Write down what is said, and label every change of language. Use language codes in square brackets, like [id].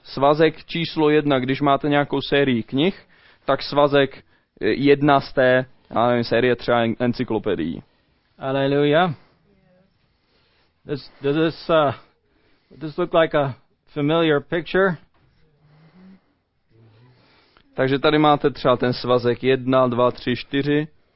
[cs] Svazek číslo jedna, když máte nějakou sérii knih, tak svazek jedna z té, já nevím, série třeba encyklopedii. Hallelujah. [en] Does this look like a familiar picture? [cs] Takže tady máte třeba ten svazek 1, 2, 3, 4.